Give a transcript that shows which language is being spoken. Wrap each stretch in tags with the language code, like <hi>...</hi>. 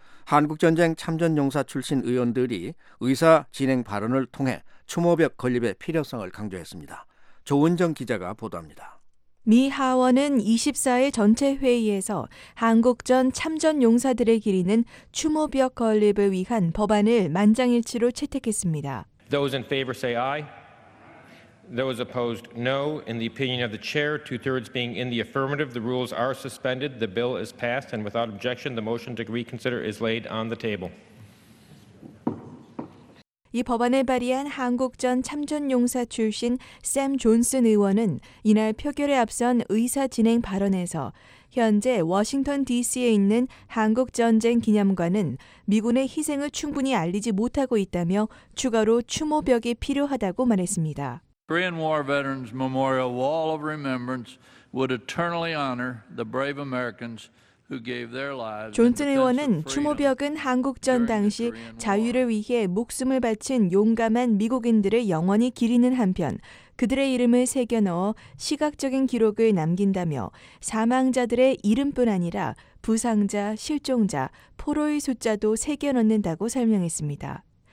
<ko>한국전쟁 참전용사 출신 의원들이 의사 진행 발언을 통해 추모벽 건립의 필요성을 강조했습니다. 조은정 기자가 보도합니다. 미 하원은 24일 전체 회의에서 한국전 참전용사들의 기리는 추모벽 건립을 위한 법안을 만장일치로 채택했습니다.</ko> <en>Those in favor say aye. Those opposed no. In the opinion of the chair, two-thirds being in the affirmative, the rules are suspended. The bill is passed and without objection, the motion to reconsider is laid on the table.</en> <ko>이 법안을 발의한 한국 전 참전용사 출신 샘 존슨 의원은 이날 표결에 앞선 의사진행 발언에서 현재 워싱턴 DC에 있는 한국전쟁기념관은 미군의 희생을 충분히 알리지 못하고 있다며 추가로 추모벽이 필요하다고 말했습니다.</ko> <en>Korean War Veterans Memorial Wall of Remembrance would eternally honor the brave Americans.</en> <ko>존슨 의원은 추모벽은 한국전 당시 자유를 위해 목숨을 바친 용감한 미국인들을 영원히 기리는 한편 그들의 이름을 새겨넣어 시각적인 기록을 남긴다며 사망자들의 이름뿐 아니라 부상자, 실종자, 포로의 숫자도 새겨넣는다고 설명했습니다.</ko>